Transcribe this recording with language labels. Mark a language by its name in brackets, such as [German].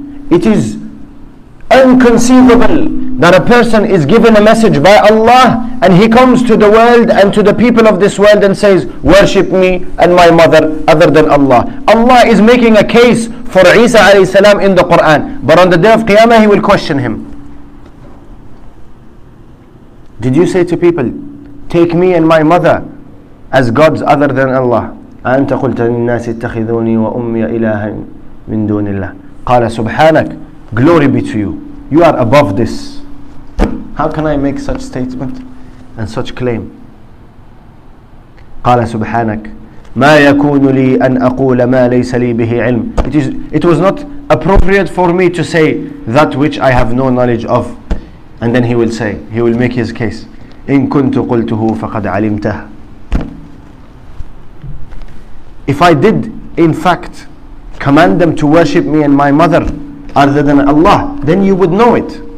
[English] It is inconceivable that a person is given a message by Allah and he comes to the world and to the people of this world and says, worship me and my mother other than Allah. Allah is making a case for Isa alayhi salam in the Quran. But on the day of Qiyamah, he will question him. Did you say to people, take me and my mother as gods other than Allah? [Arabic] أنت قلت للناس اتخذوني وأمي إلها من دون الله. قال سبحانك, [English] glory be to you. You are above this. How can I make such statement and such claim? [Arabic] قال سبحانك, ما يكون لي أن أقول ما ليس لي به علم. [English] It was not appropriate for me to say that which I have no knowledge of. And then he will make his case. [Arabic] إِن كُنْتُ قُلْتُهُ فَقَدْ عَلِمْتَهُ. [English] If I did, in fact, command them to worship me and my mother other than Allah, then you would know it.